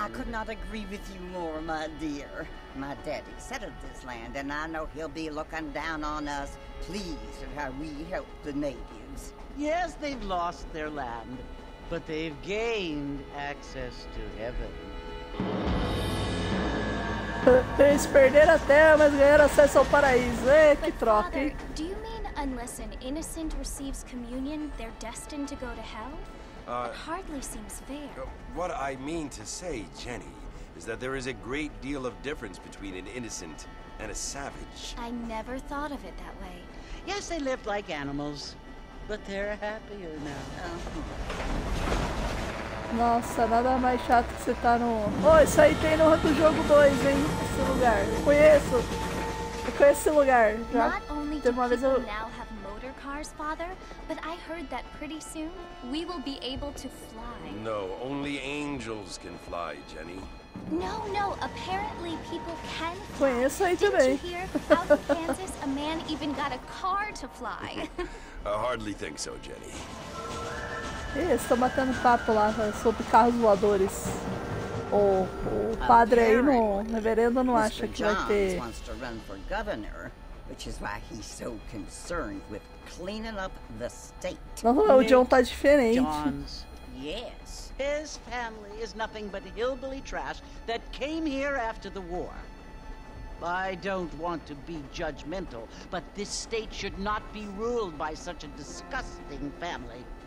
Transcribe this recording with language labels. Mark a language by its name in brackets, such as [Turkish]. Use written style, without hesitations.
[English] I could not agree with you more, my dear. My daddy settled this land, and I know he'll be looking down on us, pleased at how we help the natives. Yes, they've lost their land, but they've gained access to heaven. [Portuguese] Eles perderam a terra, mas ganharam acesso ao paraíso. É, que troca, hein? [English] Do you mean unless an innocent receives communion, they're destined to go to hell? It hardly seems fair. What I mean to say, Jenny, is that there is a great deal of difference between an innocent and a savage. I never thought of it that way. Yes, they lived like animals, but they're happier now. [Portuguese] Nossa, nada mais chato que você tá no... Oh, isso aí tem no outro jogo 2, hein? Esse lugar. Conheço. Eu conheço esse lugar. Já teve uma vez eu... [English] Cars, father, but I heard that pretty soon we will be able to fly. No, only angels can fly, Jenny. No, apparently people can fly. [Portuguese] Conheço aí também. [English] Didn't you hear? Out in Kansas, a man even got a car to fly. I hardly think so, Jenny. [Portuguese] Estou matando papo lá sobre carros voadores. O padre aí, no reverendo, não acha que vai ter... [English] Wants to run for governor, which is why he's so concerned with cleaning up the state. [Portuguese] Não, o John tá diferente. [English] John's, yes. His family is nothing but hillbilly trash that came here after the war. I don't want to be judgmental, but this state should not be ruled by such a disgusting family.